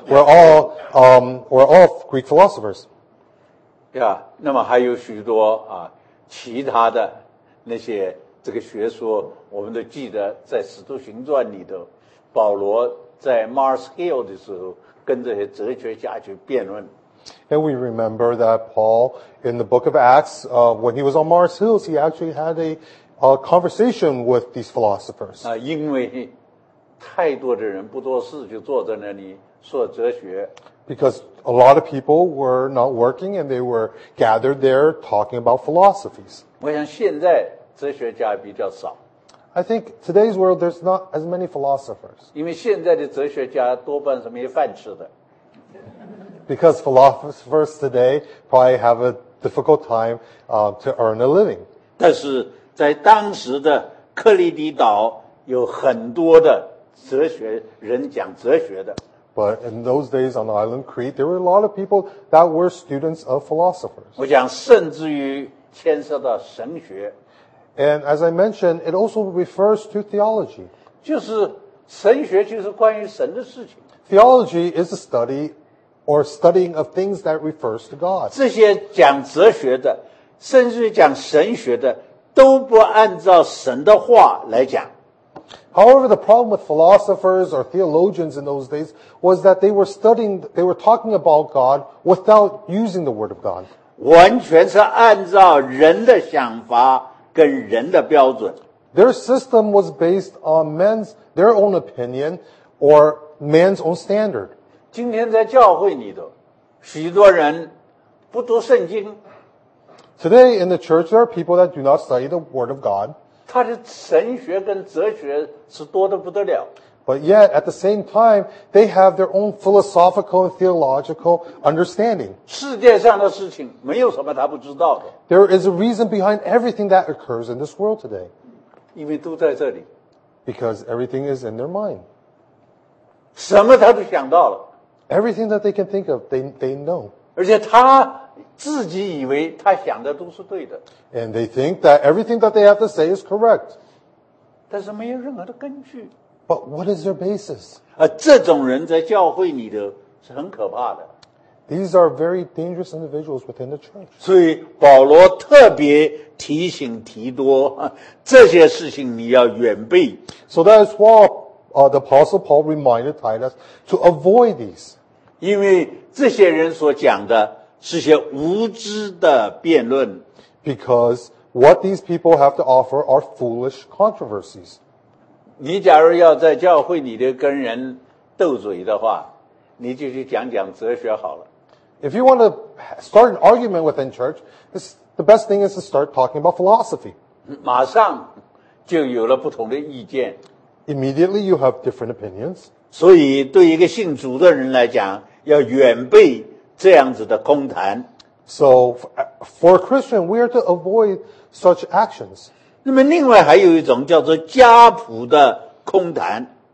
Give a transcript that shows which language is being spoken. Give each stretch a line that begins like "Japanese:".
English: we're all Greek philosophers.
Chinese: Yeah, 那么还有许多啊，其他的那些这个学说，我们都记得在《使徒行传》里头，保罗在 Mars Hill 的时候跟这些哲学家去辩论。
English: And we remember that Paul in the Book of Acts, when he was on Mars Hill, he actually had a conversation with these philosophers.
Chinese: 因为太多的人不做事就坐在那里说哲学。
English: Because a lot of people were not working and they were gathered there talking about philosophies.
Chinese: 我想现在哲学家比较少。
English: I think today's world there's not as many philosophers.
Chinese: 因为现在的哲学家多半是没饭吃的。
English: Because philosophers today probably have a difficult time to earn a living.
Chinese: 但是在当时的克里迪岛有很多的哲学人讲哲学的。
English: But in those days on the island Crete, there were a lot of people that were students of philosophers.
Chinese: 我讲甚至于牵涉到神学。
English: And as I mentioned, it also refers to theology.
Chinese: 就是神学就是关于神的事情。
English: Theology is a study or studying of things that refers to God.
Chinese: 这些讲哲学的，甚至于讲神学的，都不按照神的话来讲。
English: However, the problem with philosophers or theologians in those days was that they were talking about God without using the word of God.
Chinese: 完全是按照人的想法跟人的标准。
English: Their system was based on their own opinion or man's own standard.
Chinese: 今天在教会里头，许多人不读圣经。
English: Today in the church, there are people that do not study the word of God.
Chinese: 他的神学跟哲学是多得不得了。
English: But yet, at the same time, they have their own philosophical and theological understanding.
Chinese: 世界上的事情没有什么他不知道的。
English: There is a reason behind everything that occurs in this world today.
Chinese: 因为都在这里。
English: Because everything is in their mind.
Chinese: 什么他都想到了。
English: Everything that they can think of, they know.
Chinese: 而且他自己以为他想的都是对的。
English: And they think that everything that they have to say is correct.
Chinese: 但是没有任何的根据。
English: But what is their basis?
Chinese: 这种人在教会里的是很可怕的。
English: These are very dangerous individuals within the church.
Chinese: 所以保罗特别提醒提多，这些事情你要远避。
English: So that is why, the Apostle Paul reminded Titus to avoid these.
Chinese: 因为这些人所讲的是些无知的辩论。
English: Because what these people have to offer are foolish controversies.
Chinese: 你假如要在教会里的跟人斗嘴的话，你就去讲讲哲学好了。
English: If you want to start an argument within church, this, the best thing is to start talking about philosophy.
Chinese: 马上就有了不同的意见。
English: Immediately you have different opinions.
Chinese: 所以对一个信主的人来讲，要远避这样子的空谈。
English: So for a Christian, we are to avoid such actions.
Chinese: 那么另外还有一种叫做家谱的空谈。